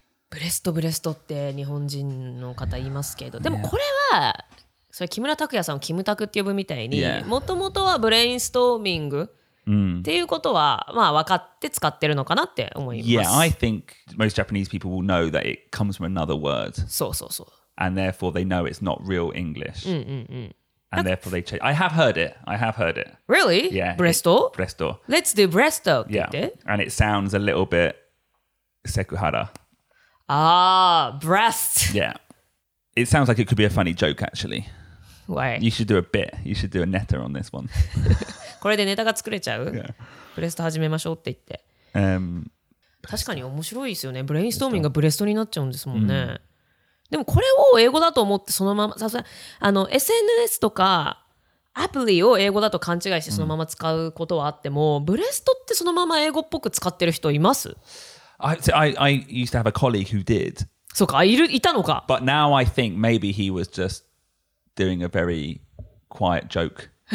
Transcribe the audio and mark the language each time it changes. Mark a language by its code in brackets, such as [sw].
[ja] ブレストブレストって日本人の方言いますけど、でもこれは、それ木村拓哉さんをキムタクって呼ぶみたいに、もともとはブレインストーミングっていうことは、まあ分かって使ってるのかなって思います。 [en] Yeah, I think most Japanese people will know that it comes from another word. [ja] そうそうそう。 [en] And therefore they know it's not real English. [ja] うんうんうん。 [en] And therefore they change. I have heard it. I have heard it. Really? Yeah. Bresto? Bresto. Let's do Bresto. Yeah. And it sounds a little bit Sekuhara. Ah, breast. Yeah. It sounds like it could be a funny joke, actually. Why? You should do a bit. You should do a netta on this one. [ja] これでネタが作れちゃう?Bresto 始めましょうって言って。確かに面白いですよね。ブレインストーミングがブレストになっちゃうんですもんね。でもこれを英語だと思ってそのままさすがあの SNS とかアプリを英語だと勘違いしてそのまま使うことはあっても、ブレストってそのまま英語っぽく使ってる人います [en] I used to have a colleague who did. [ja] そうか、いたのか。 [en] But now I think maybe he was just doing a very quiet joke.